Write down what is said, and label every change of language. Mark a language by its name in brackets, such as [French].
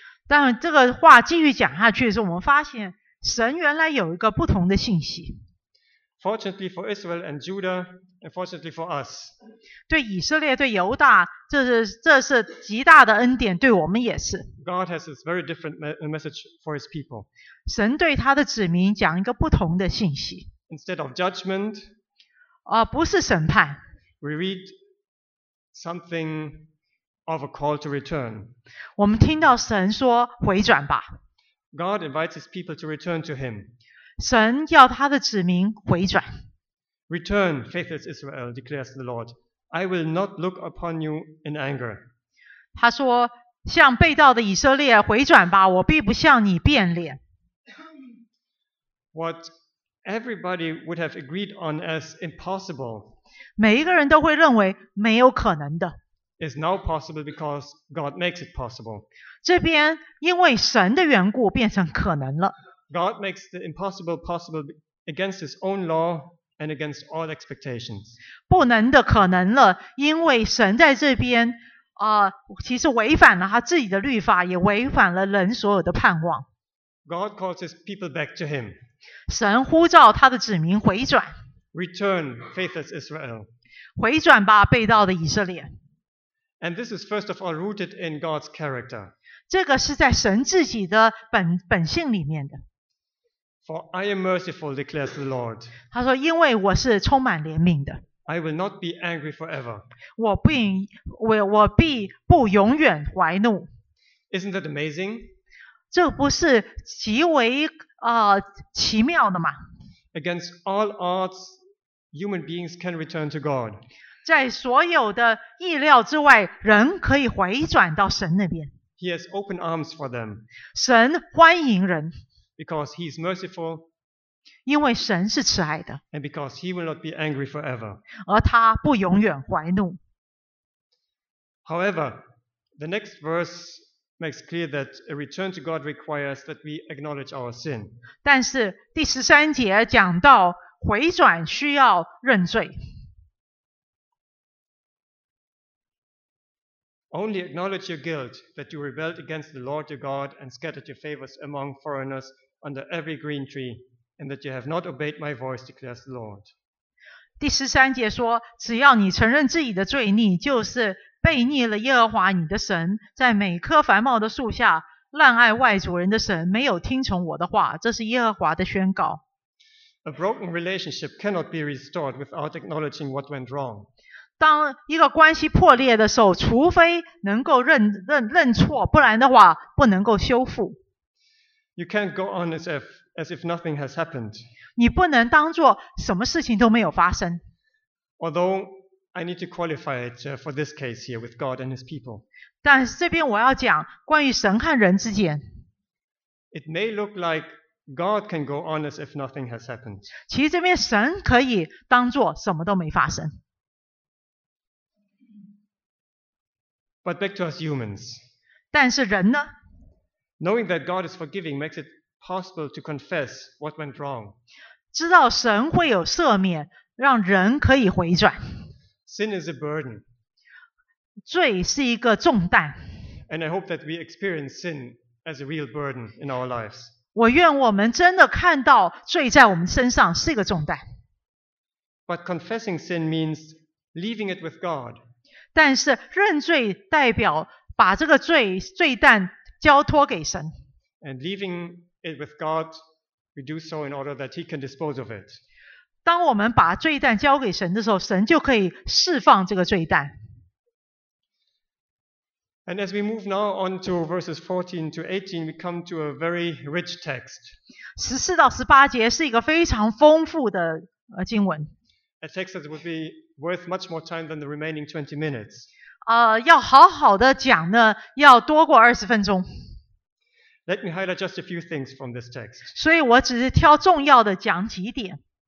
[Chinese] 但这个话继续讲下去的时候，我们发现神原来有一个不同的信息。 [English] Fortunately for Israel and Judah, and fortunately for us. [Chinese] 对以色列，对犹大，这是极大的恩典，对我们也是。 [English] God has a very different message for his people. [Chinese] 神对他的子民讲一个不同的信息。 [English] Instead of judgment, [Chinese] 不是审判。 [English] We read something of a call to return. [Chinese] 我们听到神说回转吧。 [English] God invites his people to return to him. [Chinese] 神要他的子民回转。 [English] Return, faithless Israel, declares the Lord. I will not look upon you in anger. [Chinese] 他说，向被盗的以色列回转吧，我必不向你变脸。 [English] What everybody would have agreed on as impossible. [Chinese] 每一个人都会认为没有可能的。 [English] is now possible because God makes it possible. [Chinese] 这边因为神的缘故变成可能了。 [English] God makes the impossible possible against his own law and against all expectations. [Chinese] 不能的可能了，因为神在这边其实违反了他自己的律法，也违反了人所有的盼望。 [English] God calls his people back to him. [Chinese] 神呼召他的子民回转。 [English] Return, faithless Israel. [Chinese] 回转吧，被盗的以色列。 [English] And this is first of all rooted in God's character. [Chinese] 这个是在神自己的本性里面的。 [English] For I am merciful, declares the Lord. [Chinese] 他说，因为我是充满怜悯的。 [English] I will not be angry forever. [Chinese] 我必不永远怀怒。 [English] Isn't that amazing? [Chinese] 这不是极为奇妙的吗？ [English] Against all odds, human beings can return to God. [Chinese] 在所有的意料之外，人可以回转到神那边。 [English] He has open arms for them. [Chinese] 神欢迎人。 [English] Because he is merciful. [Chinese] 因为神是慈爱的。 [English] And because he will not be angry forever. [Chinese] 而他不永远怀怒。 [English] However, the next verse makes clear that a return to God requires that we acknowledge our sin. [Chinese] 但是第十三节讲到回转需要认罪。 [English] Only acknowledge your guilt that you rebelled against the Lord your God and scattered your favors among foreigners under every green tree, and that you have not obeyed my voice, declares the Lord. [Chinese] 第十三节说，只要你承认自己的罪孽，就是背逆了耶和华你的神，在每棵繁茂的树下滥爱外族人的神，没有听从我的话，这是耶和华的宣告。 [English] A broken relationship cannot be restored without acknowledging what went wrong. [Chinese] 当一个关系破裂的时候，除非能够认错，不然的话不能够修复。 [English] You can't go on as if nothing has happened. [Chinese] 你不能当作什么事情都没有发生。 [English] Although I need to qualify it for this case here with God and His people. [Chinese] 但这边我要讲关于神和人之间。 [English] It may look like God can go on as if nothing has happened. [Chinese] 其实这边神可以当作什么都没发生。 [English] But back to us humans. [Chinese] 但是人呢？ [English] Knowing that God is forgiving makes it possible to confess what went wrong. [Chinese] 知道神会有赦免，让人可以回转。 [English] Sin is a burden. [Chinese] 罪是一个重担。 [English] And I hope that we experience sin as a real burden in our lives. [Chinese] 我愿我们真的看到罪在我们身上是一个重担。 [English] But confessing sin means leaving it with God. [Chinese] 但是认罪代表把这个罪担交托给神。 [English] And leaving it with God, we do so in order that He can dispose of it. [Chinese] 当我们把罪担交给神的时候，神就可以释放这个罪担。 [English] And as we move now on to verses 14 to 18, we come to a very rich text. [Chinese] 14到18节是一个非常丰富的经文。 [English] A text that would be worth much more time than the remaining 20 minutes. [Chinese] 要好好的讲呢，要多过20分钟。 [English] Let me highlight just a few things from this text. [Chinese] 所以我只是挑重要的讲几点。